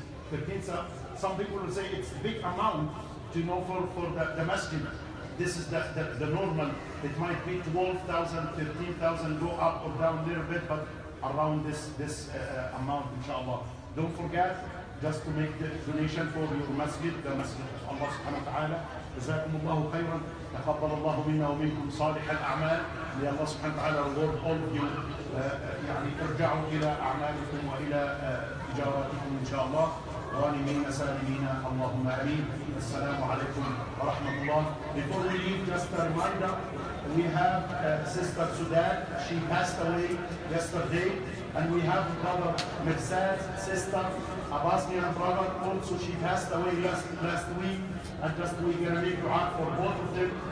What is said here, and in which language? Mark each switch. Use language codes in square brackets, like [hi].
[en] 13,000, some people will say it's a big amount, you know, for the masjid. This is the normal. It might be 12,000, 13,000, go up or down a little bit, but around this amount, inshallah. Don't forget, just to make the donation for your masjid, the masjid of Allah subhanahu wa ta'ala. [ar] Jazakumullahu khayran. تقبل الله منا ومنكم صالح الأعمال لله سبحانه وتعالى [en] reward all of you [ar] يعني ارجعوا إلى أعمالكم وإلى تجاراتكم إن شاء الله غانمين سالمين اللهم أمين. السلام عليكم ورحمة الله. [en] Before we leave, just a reminder, we have sister Sudan, she passed away yesterday, and we have brother Mirsad, sister Abbasian brother, also she passed away last week. And just we're going to make dua for both of them.